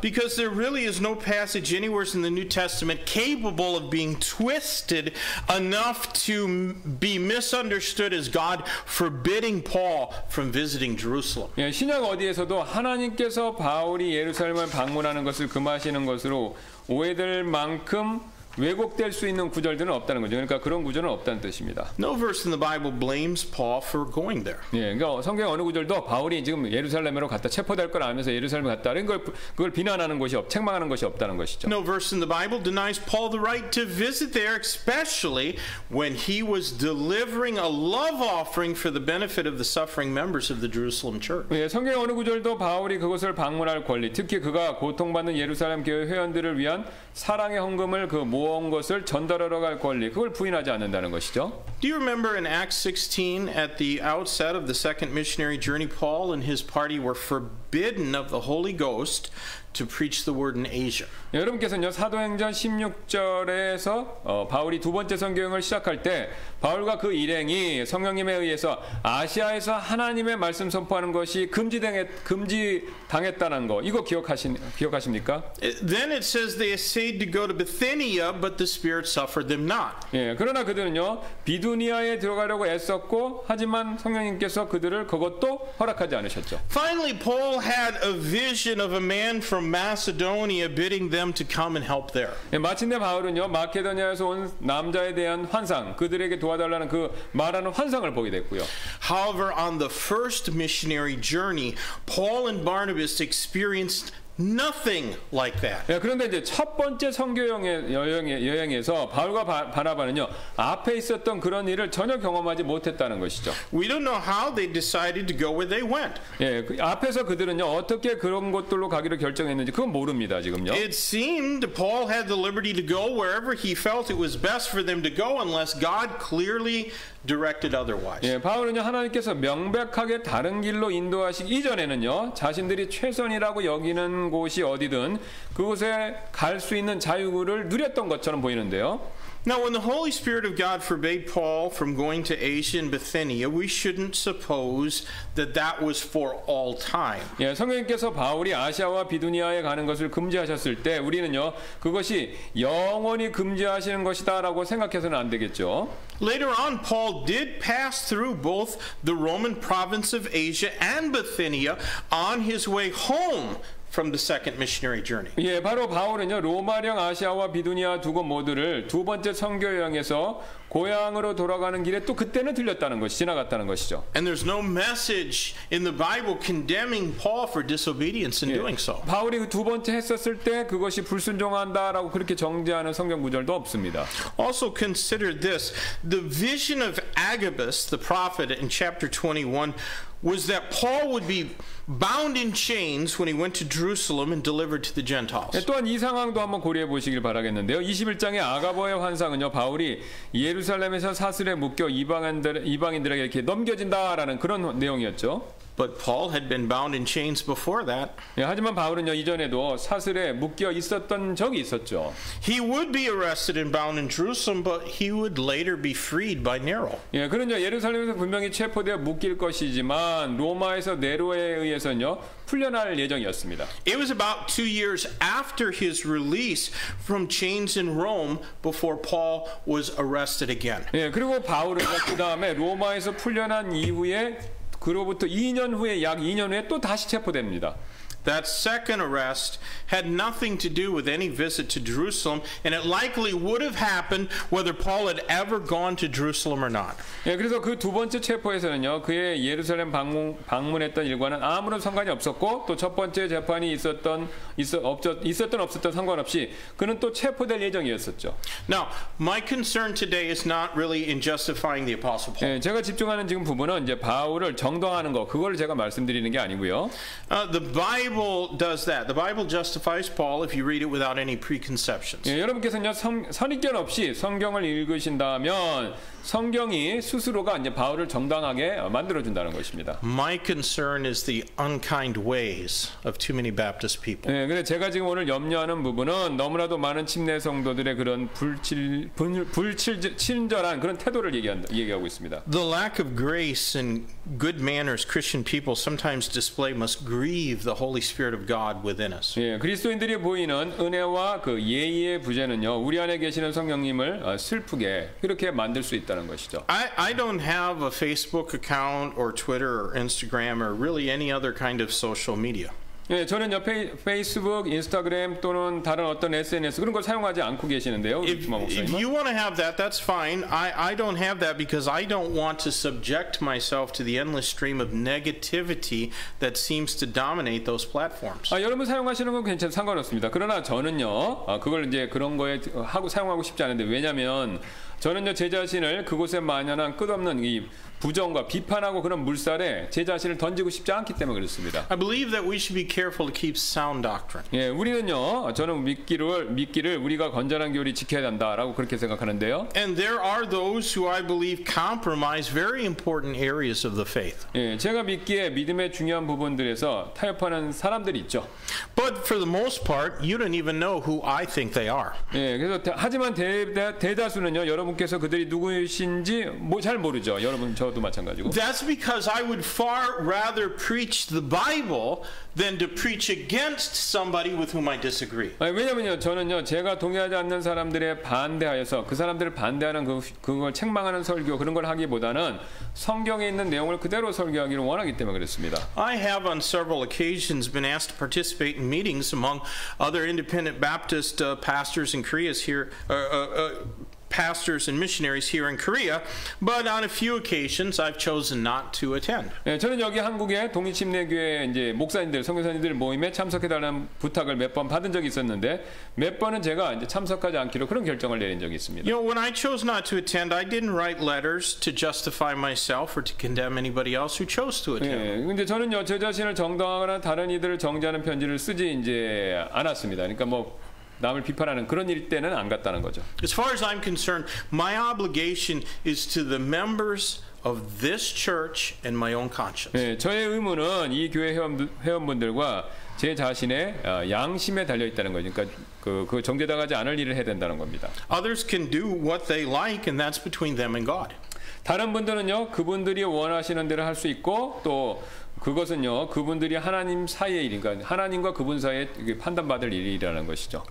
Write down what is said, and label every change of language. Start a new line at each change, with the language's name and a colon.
English: Because there really is no passage anywhere in the New Testament capable of being twisted enough to be misunderstood as God forbidding Paul from visiting Jerusalem.
Korean: 예, 신약 어디에서도 하나님께서 바울이 예루살렘을 방문하는 것을 금하시는 것으로 오해될 만큼 왜곡될 수 있는 구절들은 없다는 거죠. 그러니까 그런 구절은 없다는 뜻입니다.
English: No verse in the Bible blames Paul for going there.
Korean: 예, 그러니까 성경 어느 구절도 바울이 지금 예루살렘으로 갔다 체포될 걸 알면서 예루살렘에 갔다는 걸 그걸 비난하는 것이 없, 책망하는 것이 없다는 것이죠.
English: No verse in the Bible denies Paul the right to visit there, especially when he was delivering a love offering for the benefit of the suffering members of the Jerusalem church.
Korean: 예, 성경 어느 구절도 바울이 그곳을 방문할 권리, 특히 그가 고통받는 예루살렘 교회 회원들을 위한 사랑의 헌금을 그 모은 것을 전달하러 갈 권리 그걸 부인하지 않는다는 것이죠.
English: Do you remember in Acts 16 at the outset of the second missionary journey Paul and his party were forbidden of the Holy Ghost to preach the word in Asia.
Korean: 여러분께서는요 사도행전 16절에서 바울이 두 번째 선교행을 시작할 때 바울과 그 일행이 성령님에 의해서 아시아에서 하나님의 말씀 선포하는 것이 금지당했다는 거 이거 기억하십니까?
English: Then it says they essayed to go to Bithynia, but the Spirit suffered them not.
Korean: 예, 그러나 그들은요 비두니아에 들어가려고 애썼고 하지만 성령님께서 그들을 그것도 허락하지 않으셨죠.
English: Finally, Paul had a vision of a man from Macedonia bidding them to come and help there.
Korean: 예, 마침내 바울은요 마케도니아에서 온 남자에 대한 환상, 그들에게 도와달라는 그 말하는 환상을 보게 됐고요.
English: However, on the first missionary journey, Paul and Barnabas experienced nothing like that.
Korean: 예, 그런데 이제 첫 번째 선교 여행에서 바울과 바나바는요 앞에 있었던 그런 일을 전혀 경험하지 못했다는 것이죠.
English: We don't know how they decided to go where they went.
Korean: 예, 그 앞에서 그들은요 어떻게 그런 곳들로 가기로 결정했는지 그건 모릅니다 지금요.
English: It seemed Paul had the liberty to go wherever he felt it was best for them to go, unless God clearly directed otherwise.
Korean: 예, 바울은요 하나님께서 명백하게 다른 길로 인도하시기 이전에는요 자신들이 최선이라고 여기는 곳이 어디든 그곳에 갈 수 있는 자유를 누렸던 것처럼 보이는데요.
English: Now, when the Holy Spirit of God forbade Paul from going to Asia and Bithynia, we shouldn't suppose that that was for all time.
Korean: 예, 성령께서 바울이 아시아와 비두니아에 가는 것을 금지하셨을 때 우리는요 그것이 영원히 금지하시는 것이다라고 생각해서는 안 되겠죠.
English: Later on, Paul did pass through both the Roman province of Asia and Bithynia on his way home from the second missionary journey.
Korean: 예, 바로 바울은요 로마령 아시아와 비두니아 두 곳 모두를 두 번째 선교 여행에서 고향으로 돌아가는 길에 또 그때는 들렸다는 것이 지나갔다는 것이죠.
English: And there's no message in the Bible condemning Paul for disobedience in doing so.
Korean: 바울이 두 번째 했었을 때 그것이 불순종한다라고 그렇게 정죄하는 성경 구절도 없습니다.
English: Also consider this: the vision of Agabus the prophet in chapter 21 was that Paul would be bound in chains when he went to Jerusalem and delivered to the Gentiles.
Korean: 예, 또한 이 상황도 한번 고려해 보시길 바라겠는데요. 21장의 아가보의 환상은요, 바울이 예루살렘에서 사슬에 묶여 이방인들에게 이렇게 넘겨진다라는 그런 내용이었죠.
English: But Paul had been bound in chains before that.
Korean: 예, 하지만 바울은요 이전에도 사슬에 묶여 있었던 적이 있었죠.
English: He would be arrested and bound in Jerusalem, but he would later be freed by Nero.
Korean: 예, 그런요 예루살렘에서 분명히 체포되어 묶일 것이지만 로마에서 네로에 의해서는요 풀려날 예정이었습니다.
English: It was about 2 years after his release from chains in Rome before Paul was arrested again.
Korean: 예, 그리고 바울은 그 다음에 로마에서 풀려난 이후에 그로부터 2년 후에 약 2년 후에 또 다시 체포됩니다.
English: That second arrest had nothing to do with any visit to Jerusalem, and it likely would have happened whether Paul had ever gone to Jerusalem or not.
Korean: 예, 그래서 그 두 번째 체포에서는요, 그의 예루살렘 방문했던 일과는 아무런 상관이 없었고, 또 첫 번째 재판이 있었던 없었던 상관없이 그는 또 체포될 예정이었었죠.
English: Now, my concern today is not really in justifying the Apostle Paul.
Korean: 예, 제가 집중하는 지금 부분은 이제 바울을 정당하는 거, 그걸 제가 말씀드리는 게 아니고요.
English: The Bible does that. The Bible justifies Paul if you read it without any preconceptions.
Korean: 예, 여러분께서는 선입견 없이 성경을 읽으신다면 성경이 스스로가 이제 바울을 정당하게 만들어 준다는 것입니다.
English: My concern is the unkind ways of too many Baptist people.
Korean: 예, 근데 제가 지금 오늘 염려하는 부분은 너무나도 많은 침례 성도들의 그런 불친절한 그런 태도를 얘기하고 있습니다.
English: The lack of grace and good manners Christian people sometimes display must grieve the Holy Spirit of God within us.
Korean: 예, 그리스도인들이 보이는 은혜와 그 예의의 부재는요, 우리 안에 계시는 성령님을 슬프게 이렇게 만들 수 있다는 것이죠.
English: I don't have a Facebook account or Twitter or Instagram or really any other kind of social media.
Korean: 예, 저는 옆에 페이스북, 인스타그램 또는 다른 어떤 SNS 그런 걸 사용하지 않고 계시는데요.
English: If you want to have that, that's fine. I don't have that because I don't want to subject myself to the endless stream of negativity that seems to dominate those platforms.
Korean: 아, 여러분 사용하시는 건 괜찮, 상관없습니다. 그러나 저는요, 그걸 이제 그런 거에 사용하고 싶지 않은데 왜냐하면 저는요 제 자신을 그곳에 만연한 끝없는 이 부정과 비판하고 그런 물살에 제 자신을 던지고 싶지 않기 때문에 그렇습니다.
English: I believe that we should be careful to keep sound doctrine.
Korean: 예, 우리는요, 저는 믿기를 우리가 건전한 교리 지켜야 한다라고 그렇게 생각하는데요.
English: And there are those who I believe compromise very important areas of the faith.
Korean: 예, 제가 믿기에 믿음의 중요한 부분들에서 타협하는 사람들이 있죠.
English: But for the most part, you don't even know who I think they are.
Korean: 예, 그래서 하지만 대다수는요, 여러분. 여러분께서 그들이 누구이신지 뭐 잘 모르죠. 여러분 저도 마찬가지고.
English: That's because I would far rather preach the Bible than to preach against somebody with whom I disagree.
Korean: 아니, 왜냐면요, 저는요, 제가 동의하지 않는 사람들에 반대하여서 그 사람들을 반대하는 그걸 책망하는 설교 그런 걸 하기보다는 성경에 있는 내용을 그대로 설교하기를 원하기 때문에 그렇습니다.
English: I have on several occasions been asked to participate in meetings among other independent Baptist pastors in Korea here. Pastors and missionaries here in Korea, but on a few occasions I've chosen not to attend.
Korean: 네, 저는 여기 한국에 동일침례교회 이제 목사님들, 선교사님들 모임에 참석해달라는 부탁을 몇 번 받은 적이 있었는데 몇 번은 제가 이제 참석하지 않기로 그런 결정을 내린 적이 있습니다.
English: You know, when I chose not to attend, I didn't write letters to justify myself or to condemn anybody else who chose to attend.
Korean: 네, 근데 저는요, 제 자신을 정당화하거나 다른 이들을 정죄하는 편지를 쓰지 이제 않았습니다. 그러니까 뭐 남을 비판하는 그런 일 때는 안 갔다는 거죠.
English: As far as I'm concerned, my obligation is to the members of this church and my own conscience.
Korean: 네, 저의 의무는 이 교회 회원분들과 제 자신의 양심에 달려 있다는 거죠. 그러니까 그 정죄당하지 않을 일을 해야 된다는 겁니다.
English: Others can do what they like, and that's between them and God.
Korean: 다른 분들은요, 그분들이 원하시는 대로 할 수 있고 또 그것은요, 그분들이 하나님 사이의 일인가, 하나님과 그분 사이에 판단받을 일이라는 것이죠.